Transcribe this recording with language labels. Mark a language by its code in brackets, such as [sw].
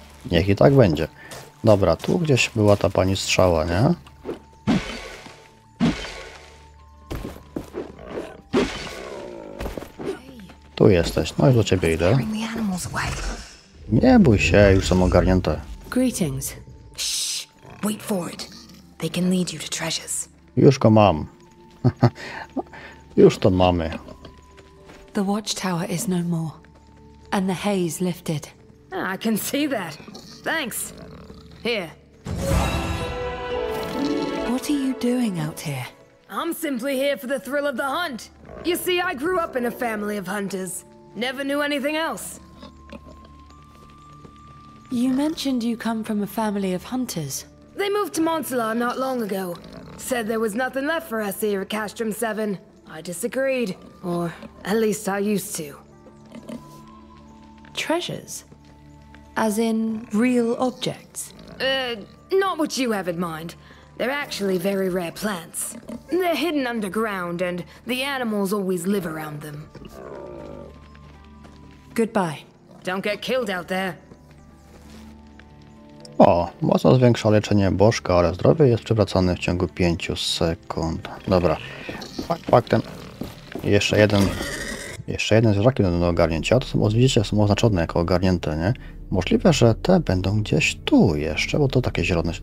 [pl] Niech i tak będzie. Dobra, tu gdzieś była ta pani strzała, nie? Tu jesteś, no i do ciebie idę. Nie bój się, już są ogarnięte. [en] Greetings. Shh, wait for it. They can lead you to treasures. [pl] Już go mam. Już to mamy. [en] The watchtower is no more. And the haze lifted. I can see that. Thanks. Here. What are you doing out here? I'm simply here for the thrill of the hunt. You see, I grew up in a family of hunters. Never knew anything else. You mentioned you come from a family of hunters. They moved to Montsalar not long ago. Said there was nothing left for us here at Castrum 7. I disagreed. Or at least I used to. Treasures? As in real objects? Not what you have in mind. They're actually very rare plants. They're hidden underground, and the animals always live around them. Goodbye. Don't get killed out there. [pl] O, mocno zwiększa leczenie bożka, ale zdrowie jest przywracane w ciągu 5 sekund. Dobra. Faktem. Jeszcze jeden zwierzak do ogarnięcia. To są, widzicie, są oznaczone jako ogarnięte, nie? Możliwe, że te będą gdzieś tu jeszcze, bo to takie zielone...